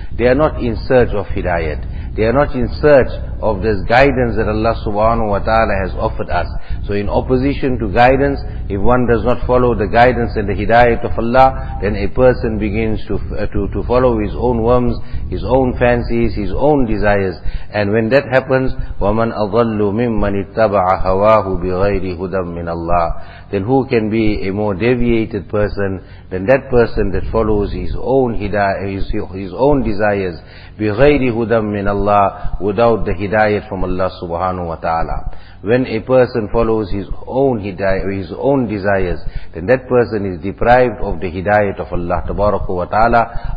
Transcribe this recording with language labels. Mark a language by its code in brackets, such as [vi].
[en] They are not in search of hidayat. They are not in search of this guidance that Allah subhanahu wa ta'ala has offered us. So in opposition to guidance, if one does not follow the guidance and the hidayat of Allah, then a person begins to follow his own whims, his own fancies, his own desires. And when that happens, [ar] وَمَنْ أَضَلُّ مِمَّنِ اتَّبَعَ هَوَاهُ بِغَيْرِ هُدًى مِّنَ اللَّهِ. [en] Then who can be a more deviated person than that person that follows his own his own desires, [ar] بِغَيْرِ هُدًى مِّنَ اللَّهِ, [en] without the hidayat from Allah subhanahu wa ta'ala. When a person follows his own hidayah, his own desires, then that person is deprived of the hidayat of Allah tabaraka wa ta'ala.